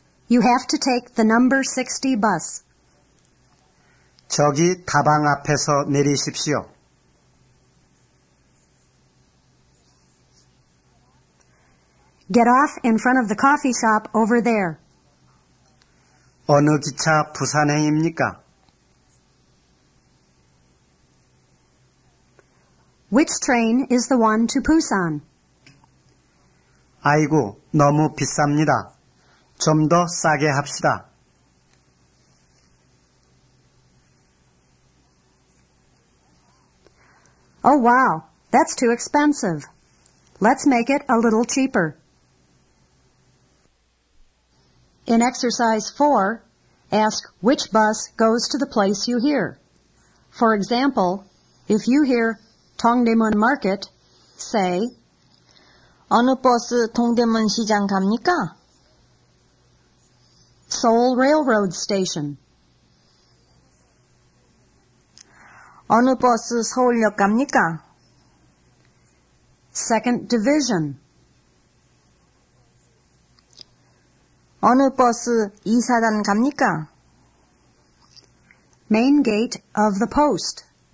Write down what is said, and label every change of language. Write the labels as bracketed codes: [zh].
[en] You have to take the number 60 bus. [ko] 저기 다방 앞에서 내리십시오. [en] Get off in front of the coffee shop over there. [ko] 어느 기차 부산행입니까? [en] Which train is the one to Busan? [ko] 아이고, 너무 비쌉니다. 좀 더 싸게 합시다. [en] Oh wow, that's too expensive. Let's make it a little cheaper. In exercise 4, ask which bus goes to the place you hear. For example, if you hear Dongdaemun market, say [ko] 어느 버스 동대문 시장 갑니까? [en] Seoul Railroad Station. [ko] 어느 버스 서울역 갑니까? [en] 2nd Division. [ko] 어느 버스 2사단 갑니까? [en] Main Gate of the Post.